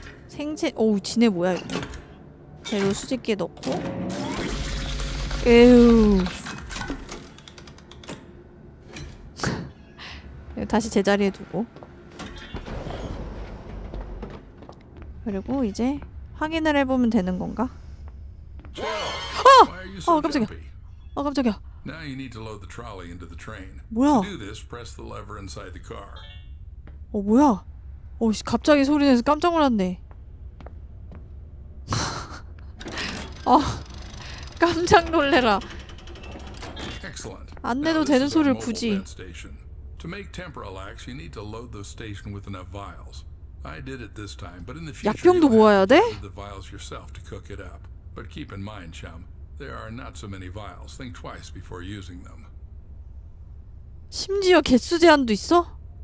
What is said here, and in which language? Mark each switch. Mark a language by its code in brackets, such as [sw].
[ko] 생체, 오우, 지네 뭐야, 이거. 재료 수집기에 넣고. 에휴. 다시 제자리에 두고. 그리고 이제 확인을 해보면 되는 건가? 아! 아, 깜짝이야. 아, 깜짝이야. [en] Now you need to load the trolley into the train. [ko] 뭐야? [en] To do this, press the lever inside the car. [ko] 어, 뭐야? 어, 씨, 갑자기 소리 내서 깜짝 놀랐네. 아, 깜짝 놀래라. 안내도 되는 소리를 굳이. [en] To make Temporalax, you need to load the station with enough vials. I did it this time, but in the future, [ko] 약병도 모아야 돼? [en] The vials yourself to cook it up. But keep in mind, chum, there are not so many vials. Think twice before using them. [ko] 심지어 개수 제한도 있어?